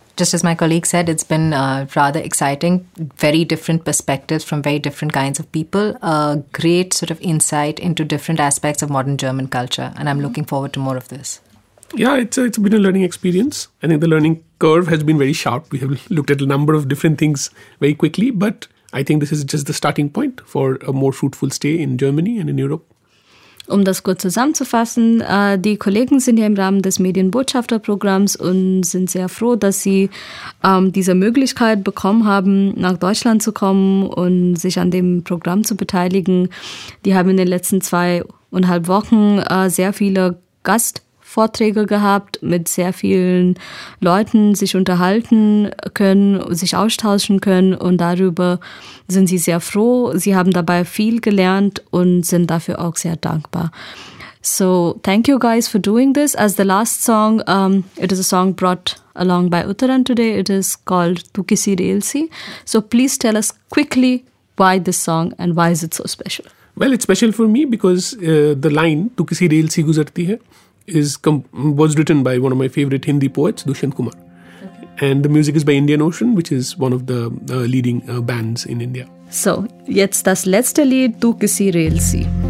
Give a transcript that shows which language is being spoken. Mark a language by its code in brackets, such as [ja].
[en] Just as my colleague said, it's been rather exciting, very different perspectives from very different kinds of people, a great sort of insight into different aspects of modern German culture. And I'm looking forward to more of this. Yeah, it's been a learning experience. I think the learning curve has been very sharp. We have looked at a number of different things very quickly. But I think this is just the starting point for a more fruitful stay in Germany and in Europe. [de] Um das kurz zusammenzufassen, die Kollegen sind ja im Rahmen des Medienbotschafterprogramms und sind sehr froh, dass sie diese Möglichkeit bekommen haben, nach Deutschland zu kommen und sich an dem Programm zu beteiligen. Die haben in den letzten 2,5 Wochen sehr viele Gastvorträge gehabt, mit sehr vielen Leuten sich unterhalten können, sich austauschen können und darüber sind sie sehr froh. Sie haben dabei viel gelernt und sind dafür auch sehr dankbar. [en] So, thank you guys for doing this. As the last song, it is a song brought along by Uttaran today. It is called Tu Kisi Reelsi. So please tell us quickly why this song and why is it so special? Well, it's special for me because the line Tu Kisi Reelsi Guzarti Hai was written by one of my favorite Hindi poets, Dushyant Kumar. And the music is by Indian Ocean, which is one of the leading bands in India. [de] So, jetzt das letzte Lied, Tu Kisi Reelsi.